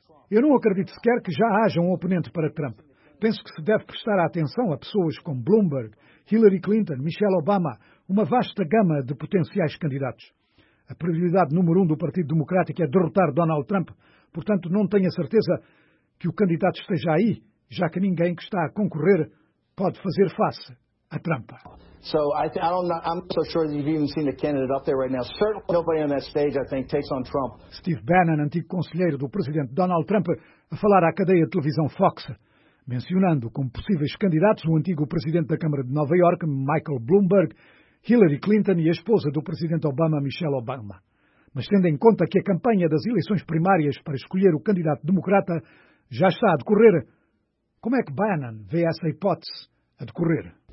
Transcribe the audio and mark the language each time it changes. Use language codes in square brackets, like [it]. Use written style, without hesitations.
[pt] Eu não acredito sequer que já haja um oponente para Trump. Penso que se deve prestar atenção a pessoas como Bloomberg, Hillary Clinton, Michelle Obama, uma vasta gama de potenciais candidatos. A prioridade número 1 do Partido Democrático é derrotar Donald Trump, portanto não tenho a certeza que o candidato esteja aí, já que ninguém que está a concorrer pode fazer face a Trump. [en] So I'm not so sure that you've even seen a candidate up there right now. Certainly nobody on that stage, I think, takes on Trump. [pt] Steve Bannon, antigo conselheiro do presidente Donald Trump, a falar à cadeia de televisão Fox, mencionando como possíveis candidatos o antigo presidente da Câmara de Nova Iorque, Michael Bloomberg, Hillary Clinton e a esposa do presidente Obama, Michelle Obama. Mas tendo em conta que a campanha das eleições primárias para escolher o candidato democrata já está a decorrer, como é que Bannon vê essa hipótese a decorrer?